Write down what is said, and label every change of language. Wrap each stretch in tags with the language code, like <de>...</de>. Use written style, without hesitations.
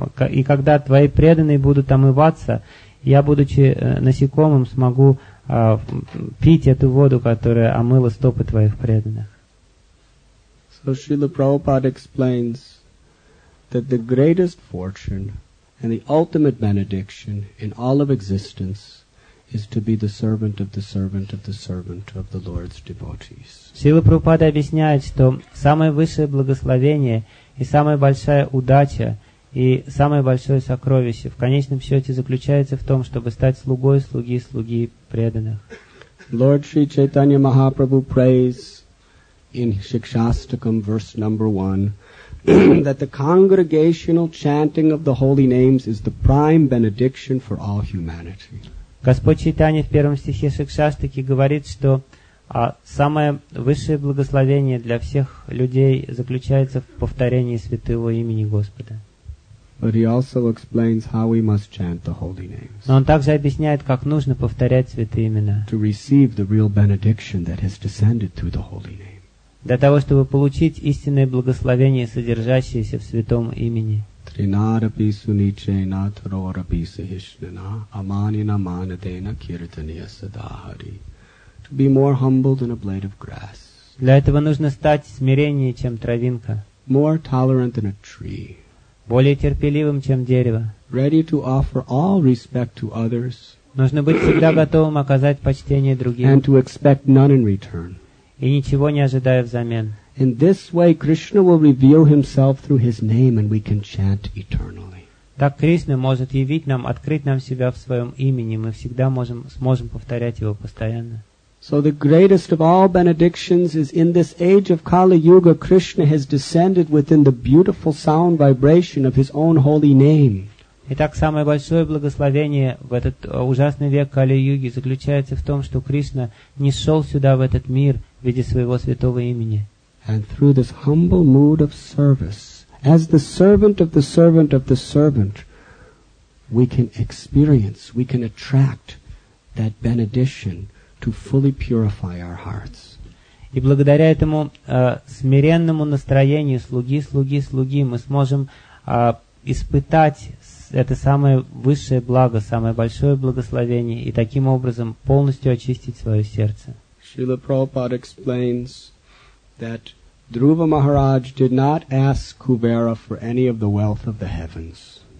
<ru>И когда твои преданные будут омываться, я, будучи насекомым, смогу пить эту воду, которая омыла стопы твоих преданных.</ru> <en>So Srila Prabhupada explains that the greatest fortune and the ultimate benediction in all of existence is to be the servant of the servant of the servant of the Lord's devotees.</en> <ru>Шрила Прабхупада объясняет, что самое высшее благословение и самая большая удача и самое большое сокровище в конечном счете заключается в том, чтобы стать слугой слуги слуги преданных.</ru> <en>Lord Sri Chaitanya Mahaprabhu prays in Shikshastakam, verse number 1, that the congregational chanting of the holy names is the prime benediction for all humanity.</en> <ru>Господь Чайтанья в первом стихе Шикшаштаки говорит, что самое высшее благословение для всех людей заключается в повторении святого имени Господа.</ru> <en>But he also explains how we must chant the holy names.</en> <ru>Но он также объясняет, как нужно повторять святые имена.</ru> <en>To receive the real benediction that has descended through the holy name.</en> <ru>Для того, чтобы получить истинное благословение, содержащееся в святом имени.</ru> <sa>Trinarapi suniche na tarorapi sahishnana amanina manadena kirtaniya sadahari.</sa> <en>To be more humble than a blade of grass.</en> <ru>Для этого нужно стать смиреннее, чем травинка.</ru> <en>More tolerant than a tree.</en> <ru>Более терпеливым, чем дерево.</ru> <en>Ready to offer all respect to others.</en> <ru>Нужно быть всегда готовым оказать почтение другим.</ru> <en>And to expect none in return.</en> <ru>И ничего не ожидая взамен.</ru> <en>In this way, Krishna will reveal himself through his name and we can chant eternally.</en> <ru>Так Кришна может явить нам, открыть нам себя в своем имени, мы всегда можем, сможем повторять его постоянно.</ru> <en>So the greatest of all benedictions is in this age of Kali Yuga, Krishna has descended within the beautiful sound vibration of his own holy name.</en> <ru>Итак, самое большое благословение в этот ужасный век Кали-Юги заключается в том, что Кришна не шел сюда, в этот мир, в виде своего святого имени.</ru> <en>And through this humble mood of service, as the servant of the servant of the servant, we can experience, we can attract that benediction to fully purify our hearts.</en> <ru>И благодаря этому смиренному настроению слуги, слуги, слуги, мы сможем испытать это самое высшее благо, самое большое благословение, и таким образом полностью очистить свое сердце.</ru> <en>Srila Prabhupada explains that Dhruva Maharaj did not ask Kuvera for any of the wealth of the heavens.</en>